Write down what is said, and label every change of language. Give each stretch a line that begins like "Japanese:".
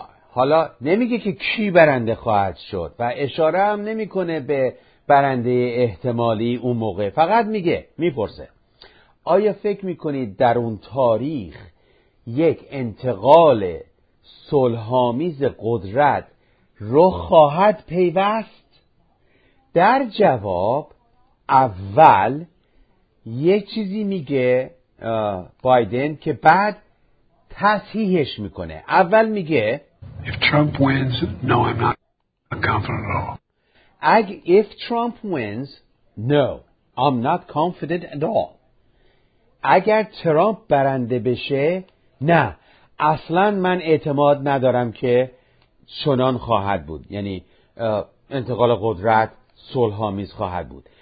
Persian: حالا نمیگه که کی برنده خواهد شد و اشاره هم نمیکنه به برنده احتمالی اون موقع، فقط میگه، میپرسه آیا فکر میکنید در اون تاریخ یک انتقال صلح‌آمیز قدرت رخ خواهد پیوست؟ در جواب اول یه چیزی میگه بایدن که بعد تصحیحش میکنه. اول میگه
English: If Trump wins, no, I'm not confident at all. If Trump wins, no, I'm not confident at all.
Persian: اگر ترامپ برنده بشه، نه، اصلا من اعتماد ندارم که چنان خواهد بود. یعنی انتقال قدرت صلح‌آمیز خواهد بود.